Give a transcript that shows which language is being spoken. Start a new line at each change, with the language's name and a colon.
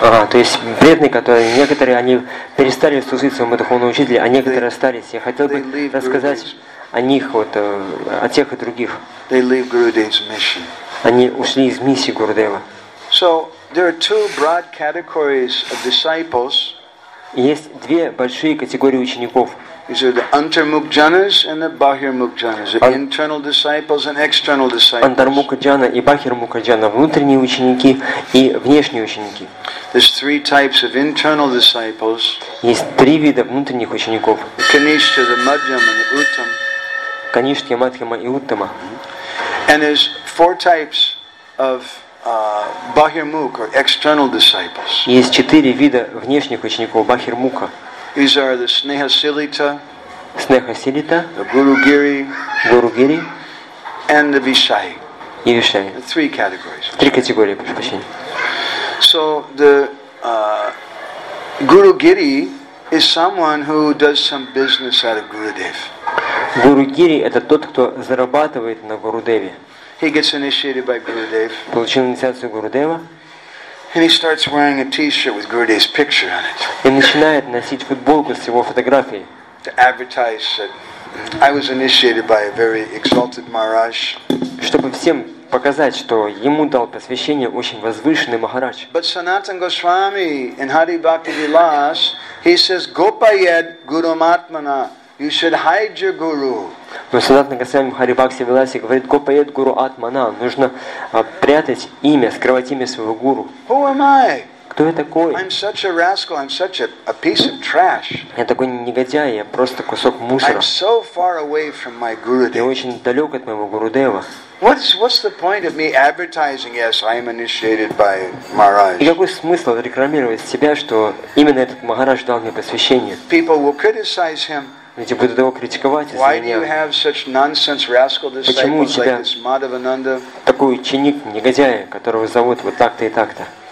Russian: То есть преданные, которые некоторые они перестали служить своему духовному учителю, а некоторые остались. Я хотел бы рассказать о них вот о тех и других.
English: They leave Gurudev's mission.
Russian: Они ушли из миссии Гурудева.
English: So there are two broad categories of disciples.
Russian: Есть две большие категории учеников.
English: These are the antarmukjanas and the bahirmukjanas. The internal disciples and external disciples.
Russian: Антармукаджана и бахирмукаджана – внутренние ученики и внешние ученики.
English: There's three types of internal disciples.
Russian: Есть три вида внутренних учеников.
English: The kanishtha, the madhyam, and the uttam.
Russian: Канишки, мадхьяма и уттама.
English: And there's four types of bahirmuk or external disciples.
Russian: Есть четыре вида внешних учеников бахирмука.
English: These are the snehasilita,
Sanskrit: snehasilita,
English: the gurugiri,
Sanskrit: gurugiri,
English: and the vishai.
Russian: И вишай.
English: Three categories.
Russian: Три категории, прошу прощения.
English: So the gurugiri is someone who does some business out of Gurudev.
Russian: Гуругири это тот, кто зарабатывает на Гурудеве.
English: He gets initiated by Gurudev.
Russian: Получил инициацию Гурудева.
English: And he starts wearing a t-shirt with Gurudev's picture on it.
Russian: И начинает носить футболку с его фотографией.
English: To advertise that I was initiated by a very exalted Maharaj.
Russian: Чтобы всем показать, что ему дал посвящение очень возвышенный Махарадж.
English: But Sanatan Goswami in Hari Bhakti Vilas, he says,
Sanskrit: Gopayed Guru Matmana.
English: You should hide your guru.
Russian: Но Санатана Госвами Хари Бхакти Виласи говорит,
Sanskrit: Гопаед Гуру Атмана.
Russian: Нужно прятать имя, скрывать имя своего гуру.
English: Who am I?
Russian: Кто я такой?
English: I'm such a rascal. I'm such a piece of trash.
Russian: Я такой негодяй. Я просто кусок мусора.
English: I'm so far away from my Gurudev.
Russian: Я очень далек от моего Гурудева.
English: What's the point of me advertising? Yes, I am initiated by Maharaj.
Russian: И какой смысл рекламировать себя, что именно этот Махарадж дал мне посвящение?
English: People will criticize him.
Russian: Люди будут его критиковать.
English: Why do you have such nonsense rascal disciples like this Madhavananda?
Russian: Такой ученик негодяя, которого зовут вот так-то и так-то.